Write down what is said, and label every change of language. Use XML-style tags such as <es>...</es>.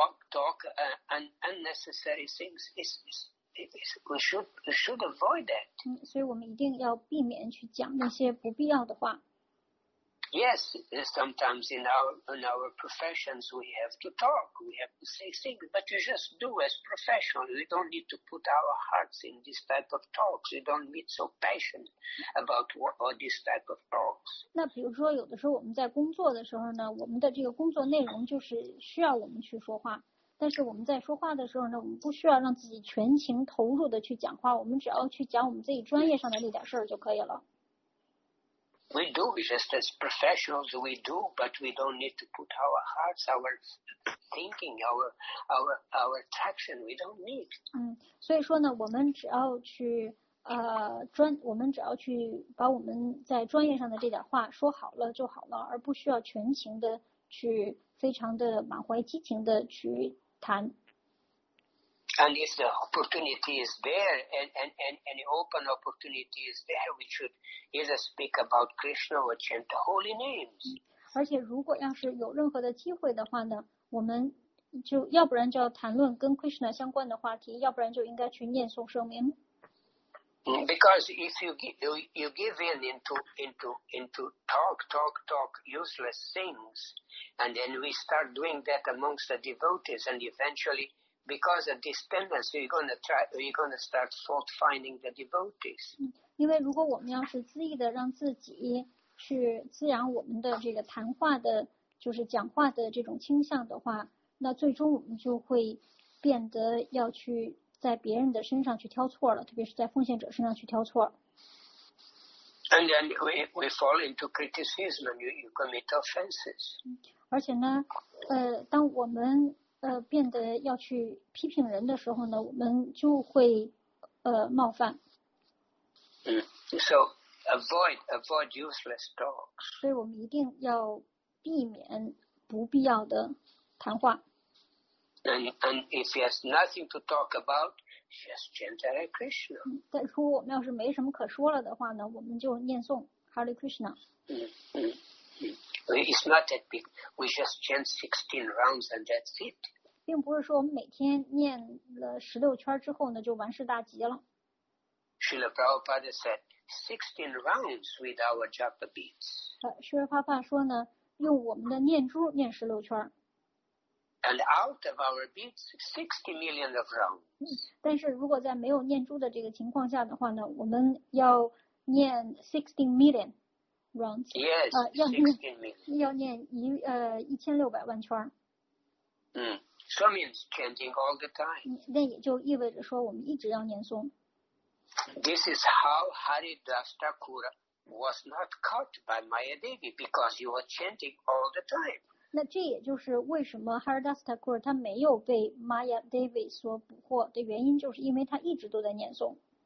<en>Talk, and unnecessary things is we should avoid that.</en> <zh>所以我们一定要避免去讲那些不必要的话。</zh> <en>Yes, sometimes in our professions we have to talk, we have to say things, but you just do as professionals. We don't need to put our hearts in this type of talks. We don't need so passionate about all this type of talks.</en> <zh>那比如说有的时候我们在工作的时候呢，我们的这个工作内容就是需要我们去说话，但是我们在说话的时候呢，我们不需要让自己全情投入的去讲话，我们只要去讲我们自己专业上的那点事儿就可以了。</zh> <en>We do, just as professionals we do, but we don't need to put our hearts, our thinking, our attraction, we don't need.</en> <zh>所以说呢，我们只要去我们只要去把我们在专业上的这点话说好了就好了，而不需要全情的去非常的满怀激情的去谈。</zh> <en>And if the opportunity is there, and the open opportunity is there, we should either speak about Krishna or chant the holy names.</en> <zh>而且如果要是有任何的机会的话呢，我们就要不然就要谈论跟 Krishna 相关的话题，要不然就应该去念诵圣名。</zh> <en>Because if you give in to talk useless things, and then we start doing that amongst the devotees, and eventually. Because of this tendency, you're going to start fault finding the devotees.</en> <zh>因为如果我们要是恣意的让自己去滋养我们的这个谈话的，就是讲话的这种倾向的话，那最终我们就会变得要去在别人的身上去挑错了，特别是在奉献者身上去挑错。</zh> <en>And then we fall into criticism, and you commit offenses.</en> <zh>而且呢，当我们变得要去批评人的时候呢，我们就会冒犯。</zh> <en>So avoid useless talks.</en> <zh>所以我们一定要避免不必要的谈话。</zh> <en>And if he has nothing to talk about, just chant Hare Krishna.</en> <zh>但如果我们要是没什么可说了的话呢，我们就念诵 Hare Krishna。</zh> <en>It's not that big. We just chant 16 rounds and that's it.</en> <zh>并不是说我们每天念了十六圈之后呢就完事大吉了。</zh> <en>Srila Prabhupada said 16 rounds with our japa beads.</en> <zh>Srila Prabhupada 说呢，用我们的念珠念十六圈。</zh> <en>And out of our beads, 60 million of rounds.</en> <zh>但是如果在没有念珠的这个情况下的话呢，我们要念</zh> <en>16 million rounds. Yes, 16 million.</en> <zh>要念1600万圈。</zh> <en>So means chanting all the time.</en> <zh>那也就意味着说我们一直要念诵。</zh> <en>This is how Haridas Thakur was not caught by Maya Devi because you were chanting all the time.</en> <zh>那这也就是为什么 Haridas Thakur 他没有被 Maya Devi 所捕获的原因，就是因为他一直都在念诵。</zh>